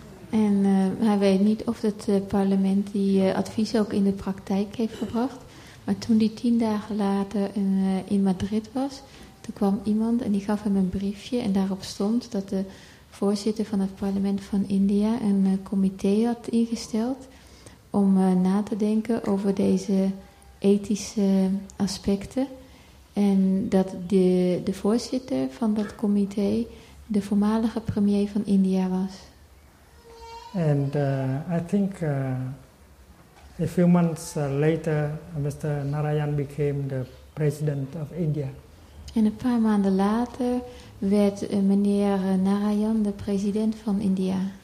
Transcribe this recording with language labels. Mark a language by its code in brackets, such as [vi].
[nl] En hij weet niet of het parlement die advies ook in de praktijk heeft gebracht, maar toen die 10 dagen later in Madrid was, toen kwam iemand en die gaf hem een briefje en daarop stond dat de voorzitter van het parlement van India een comité had ingesteld om na te denken over deze ethische aspecten. En dat de voorzitter van dat comité de voormalige premier van India was. [en] En I think a few months later Mr. Narayan became the president of India. [nl] En een paar maanden later werd meneer Narayan de president van India.